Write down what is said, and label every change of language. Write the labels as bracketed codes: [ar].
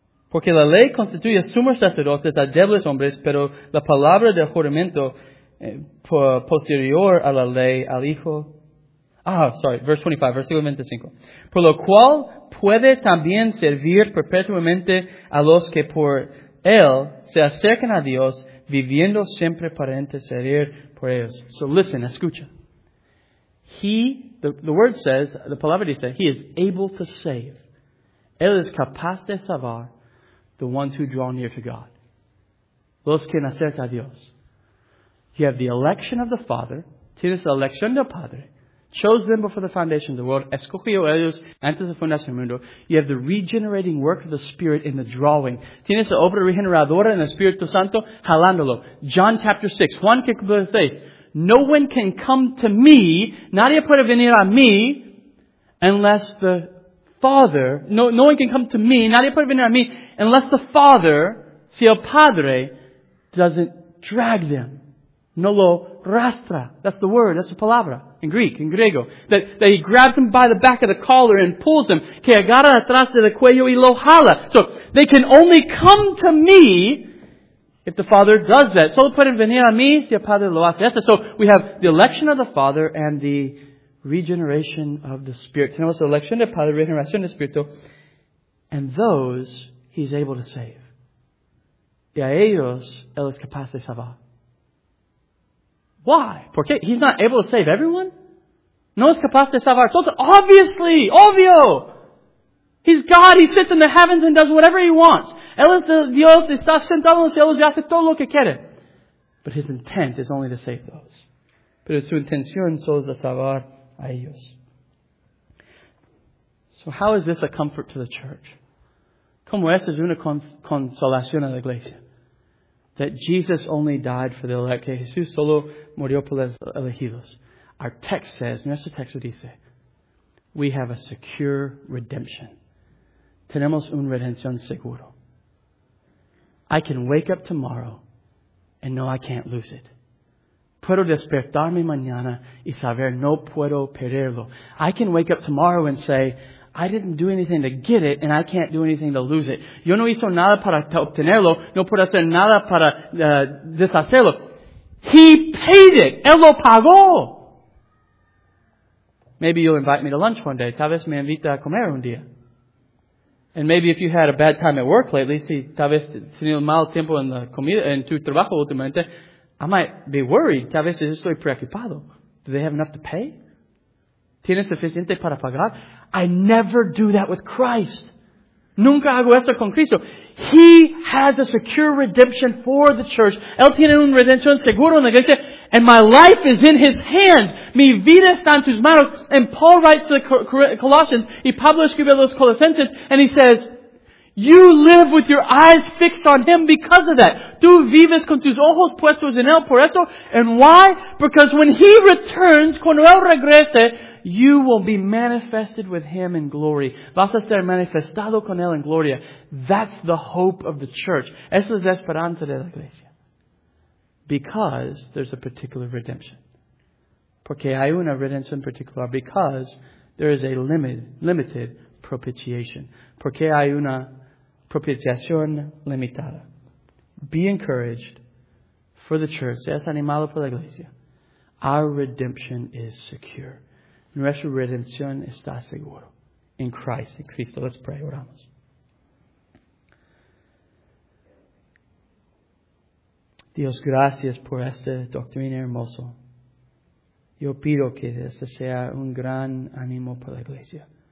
[es] Porque la ley constituye sumos sacerdotes a débiles hombres, pero la palabra del juramento posterior a la ley al Hijo... Versículo 25. Por lo cual puede también servir perpetuamente a los que por él se acercan a Dios, viviendo siempre para interceder por ellos. [en] So listen, [es] escucha. La palabra dice, [en] he is able to save. [es] Él es capaz de salvar. [en] The ones who draw near to God. [es] Los que acercan a Dios. [en] You have the election of the Father. [es] Tienes la elección del Padre. [en] Chose them before the foundation of the world. [es] Escogió ellos antes de fundación del mundo. [en] You have the regenerating work of the Spirit in the drawing. [es] Tienes la obra regeneradora en el Espíritu Santo jalándolo. [en] John chapter 6. [es] Juan que cumple 6. [en] No one can come to me. [es] Nadie puede venir a mí. [en] Unless the Father, no one can come to me, [es] nadie puede venir a mí, [en] unless the Father, [es] si el Padre, [en] doesn't drag them. [es] No lo rastra. [en] That's the word, that's the palabra, in Greek, in griego. That he grabs them by the back of the collar and pulls them. [es] Que agarra atrás de el cuello y lo jala. [en] So, they can only come to me if the Father does that. [es] Solo pueden venir a mí si el Padre lo hace. [en] So, we have the election of the Father and the regeneration of the Spirit. [es] Tenemos la elección del Padre, regeneración del Espíritu, [en] and those he's able to save. [es] Y a ellos, él es capaz de salvar. [en] Why? [es] Porque [en] he's not able to save everyone? [es] No es capaz de salvar a todos. [en] Obviously, [es] obvio. [en] He's God. He sits in the heavens and does whatever he wants. [es] Él es Dios, está sentado en los cielos y hace todo lo que quiere. [en] But his intent is only to save those. [es] Pero su intención solo es de salvar a ellos. [en] So how is this a comfort to the church? [es] ¿Cómo es una consolación a la iglesia? [en] That Jesus only died for the elect. [es] Que Jesús solo murió por los elegidos. [en] Our text says, [es] nuestro texto dice, [en] we have a secure redemption. [es] Tenemos una redención segura. [en] I can wake up tomorrow and know I can't lose it. [es] Puedo despertarme mañana y saber no puedo perderlo. [en] I can wake up tomorrow and say, I didn't do anything to get it and I can't do anything to lose it. [es] Yo no hizo nada para obtenerlo, no puedo hacer nada para deshacerlo. [en] He paid it. [es] Él lo pagó. [en] Maybe you'll invite me to lunch one day. [es] Tal vez me invita a comer un día. [en] And maybe if you had a bad time at work lately, [es] si tal vez tenido mal tiempo en la comida, en tu trabajo últimamente, [en] I might be worried. [es] Tal vez estoy preocupado. [en] Do they have enough to pay? [es] ¿Tienes suficiente para pagar? [en] I never do that with Christ. [es] Nunca hago eso con Cristo. [en] He has a secure redemption for the church. [es] Él tiene una redención segura en la iglesia. [en] And my life is in his hands. [es] Mi vida está en tus manos. [en] And Paul writes to the Colossians. [es] Y Pablo escribe a los Colosenses. [en] And he says, you live with your eyes fixed on him because of that. [es] Tú vives con tus ojos puestos en él por eso. [en] And why? Because when he returns, [es] cuando él regrese, [en] you will be manifested with him in glory. [es] Vas a ser manifestado con él en gloria. [en] That's the hope of the church. [es] Eso es la esperanza de la iglesia. [en] Because there's a particular redemption. [es] Porque hay una redención particular. [en] Because there is a limited propitiation. [es] Porque hay una propiciación limitada. [en] Be encouraged for the church. [es] Seas animado por la iglesia. [en] Our redemption is secure. [es] Nuestra redención está segura. [en] In Christ, [es] in Cristo. [en] Let's pray. [es] Oramos. Dios, gracias por esta doctrina hermosa. Yo pido que esta sea un gran ánimo para la iglesia.